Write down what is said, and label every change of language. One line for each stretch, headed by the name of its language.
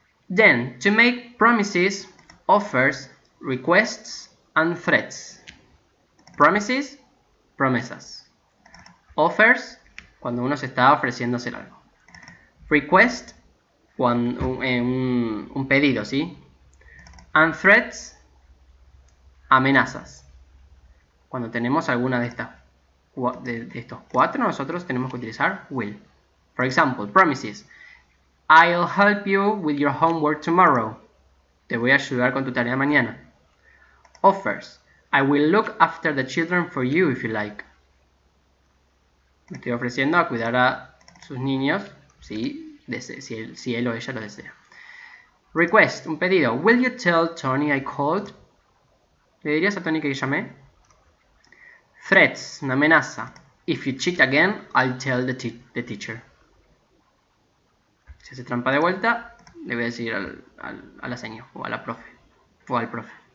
English: Then, to make promises, offers, requests, and threats. Promises,
Spanish: promesas. Offers, cuando uno se está ofreciendo hacer algo. Request, cuando, un pedido, ¿sí?
English: And threats,
Spanish: amenazas. Cuando tenemos alguna de estas, de estos cuatro, nosotros tenemos que utilizar will.
English: For example, promises. I'll help you with your homework tomorrow.
Spanish: Te voy a ayudar con tu tarea mañana.
English: Offers. I will look after the children for you if you like.
Spanish: Me estoy ofreciendo a cuidar a sus niños, si, si él o ella lo desea. Request. Un pedido.
English: Will you tell Tony I called?
Spanish: ¿Le dirías a Tony que llamé? Threats. Una amenaza.
English: If you cheat again, I'll tell the teacher.
Spanish: Si hace trampa de vuelta, le voy a decir a la seño, o a la profe, o al profe.